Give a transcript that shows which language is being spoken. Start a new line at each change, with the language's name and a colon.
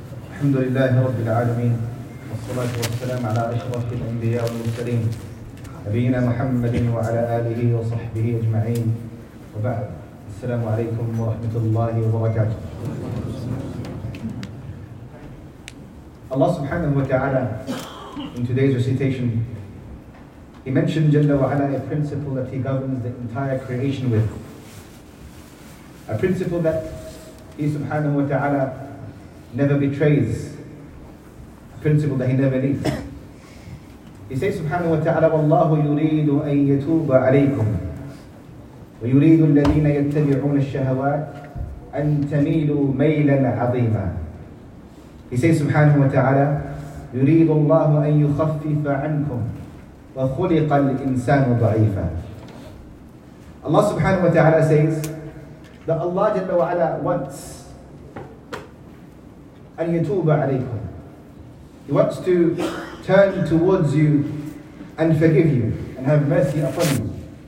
Arabic: الحمد لله رب العالمين والصلاة والسلام على أشرف الأنبياء والمرسلين نبينا محمد وعلى آله وصحبه أجمعين وبعد السلام عليكم ورحمة الله وبركاته.
English: Allah subhanahu wa ta'ala, in today's recitation, He mentioned Jalla wa ala a principle that He governs the entire creation with. A principle that He subhanahu wa ta'ala never betrays. A principle that He never leaves. He says
Arabic: subhanahu wa ta'ala, وَاللَّهُ يُرِيدُ أَن يَتُوبَ عَلَيْكُمْ وَيُرِيدُ الَّذِينَ يَتَّبِعُونَ الشَّهَوَاتِ أَن تَمِيلُوا مَيْلًا عَظِيمًا.
English: He says
Arabic: subhanahu wa ta'ala, يُرِيدُ اللَّهُ أَن يُخَفِّفَ عَنْكُمْ وَخُلِقَ الْإِنسَانُ ضَعِيفًا.
English: Allah subhanahu wa ta'ala says that Allah jalla wa ala wants
Arabic: أَن يَتُوبَ عَلَيْكُمْ.
English: He wants to turn towards you and forgive you and have mercy upon you.